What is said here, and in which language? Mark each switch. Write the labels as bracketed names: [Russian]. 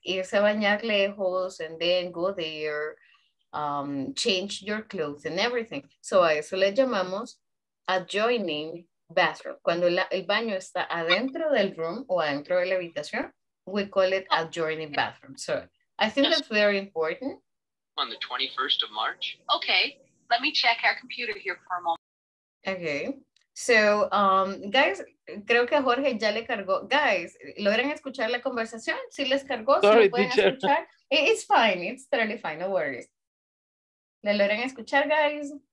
[Spanish] Irse a bañar lejos [English] and then go there, change your clothes and everything. [Spanish] So a eso le llamamos adjoining bathroom. Cuando el baño está adentro del room o adentro de la habitación, [English] we call it adjoining bathroom. So I think that's very important. On the 21st of March. Okay, let me check our computer here for a moment. Okay, so guys, [Spanish] creo que Jorge ya le cargó. Guys, ¿logran escuchar la conversación? ¿Sí les cargó? [English] Sorry, [Spanish] ¿sí lo pueden escuchar? [English] It's fine, it's totally fine, no worries. [Spanish] ¿Le logran escuchar, guys?